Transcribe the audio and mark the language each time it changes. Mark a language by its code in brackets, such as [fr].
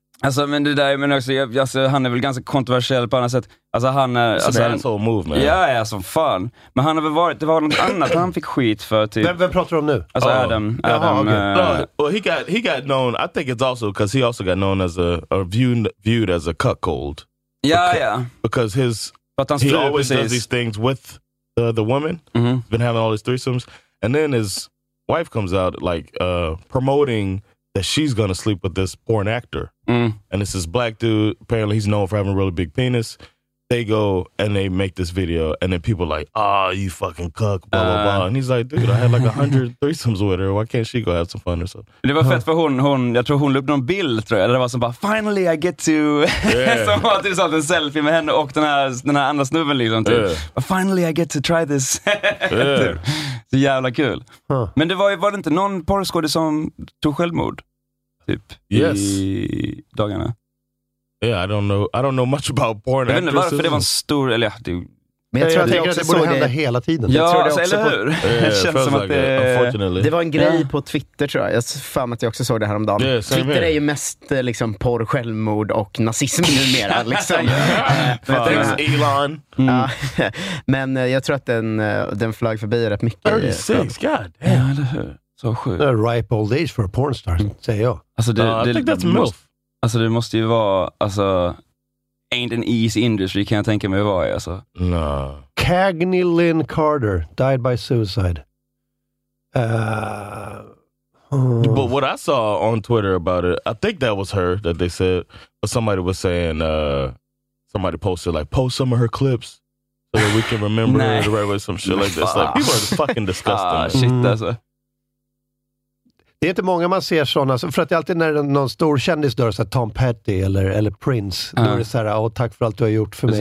[sv] Alltså, men det där, men också, alltså, han är väl ganska kontroversiell på annat sätt. Alltså han är [en] asshole move, man. [sv] Ja, ja, som fan. Men han har väl varit, det var något annat han fick skit för typ. Vem pratar du om nu? Alltså Adam. [en] He got known. I think it's also because he also got known as viewed as a cuckold. [sv] Ja, ja. [en] Because his does these things with the woman. Mm-hmm. Been having all these threesomes, and then his wife comes out like promoting that she's gonna sleep with this porn actor. And it's this black dude. Apparently he's known for having a really big penis. They go and they make this video, and then people are like, "Oh, you fucking cuck, blah blah blah." And he's like, "Dude, I had like 100 threesomes with her. Why can't she go have some fun or something?" [sv] Det var fett för hon jag tror hon la upp någon bild, tror jag, eller det var som bara [en] finally I get to [sv] som var typ sånt, en selfie med henne och den här andra snubben liksom typ. [en] But finally I get to try this. [sv] Så jävla kul. Huh. Men var det inte någon porrskådis som tog självmord? Typ, [en] yes. [sv] I dagarna. [en] Yeah, I don't know much about porn actresses. [sv] Men varför det var en stor, eller ja, det, men jag tror att det också borde hända hela tiden. Ja, jag tror alltså, eller hur? Det känns som att det var en grej på Twitter, tror jag. Jag fan att jag också såg det här om dagen. Twitter är ju mest liksom porr, självmord och nazism numera liksom. Elon. Men jag tror att den flög förbi rätt mycket. [en] 36, god damn. [sv] Ja, eller hur? Så sjukt. [en] A ripe old age for a porn star, [sv] säger jag. Alltså [en] I think that's MILF. [sv] Alltså det måste ju vara, alltså, [en] ain't an easy industry, [sv] kan jag tänka mig att vara i, alltså. [en] No. Cagney Lynn Carter died by suicide. But what I saw on Twitter about it, I think that was her that they said, but somebody was saying, somebody posted like, post some of her clips so that we can remember her the right way, some shit like this. Like, people are fucking disgusting. [sv] Ah, shit, alltså. Det är inte många man ser sådana, för att det är alltid när någon stor kändis dör, såhär Tom Petty eller Prince, då är det såhär, oh, tack för allt du har gjort för mig.